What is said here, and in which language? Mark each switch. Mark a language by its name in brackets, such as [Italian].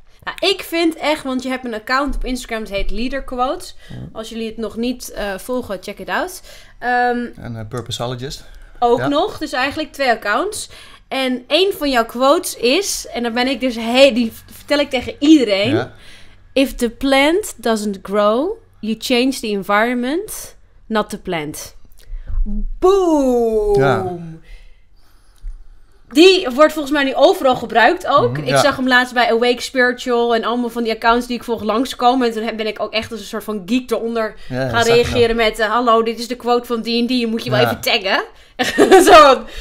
[Dutch] Nou, ik vind echt, want je hebt een account op Instagram, het heet Leader Quotes. Hmm. Als jullie het nog niet volgen, [English] check it out. [Dutch] En Purposeologist. Ook nog, dus eigenlijk twee accounts. En een van jouw quotes is, en dan ben ik dus die vertel ik tegen iedereen. Ja. [English] If the plant doesn't grow, you change the environment, not the plant. [Dutch] Boom! Ja. Die wordt volgens mij nu overal gebruikt ook. Mm-hmm, ik zag hem laatst bij Awake Spiritual en allemaal van die accounts die ik volg langskomen. En toen ben ik ook echt als een soort van geek eronder gaan reageren met, hallo, dit is de quote van D&D, je moet je wel even taggen. Zo.